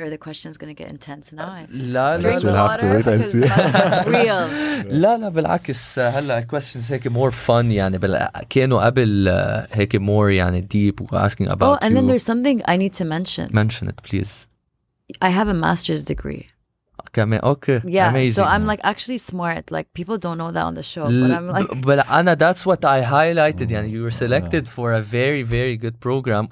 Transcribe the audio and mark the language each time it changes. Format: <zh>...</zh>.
<en>Are the questions going to get intense now? I guess we'll have to wait and see. Real.</en> <ar>لا بالعكس هلا</ar> <en>questions</en> <ar>هيك</ar> <en>more fun</en> <ar>يعني كانوا قبل هيك</ar> <en>more</en> <ar>يعني</ar> <en>deep asking about. Oh, and then there's something I need to mention. Mention it, please. I have a master's degree. Okay. Yeah, amazing. So I'm like actually smart. Like people don't know that on the show, but I'm like. Well, Anna, that's what I highlighted. Yeah, you were selected for a very, very good program.</en>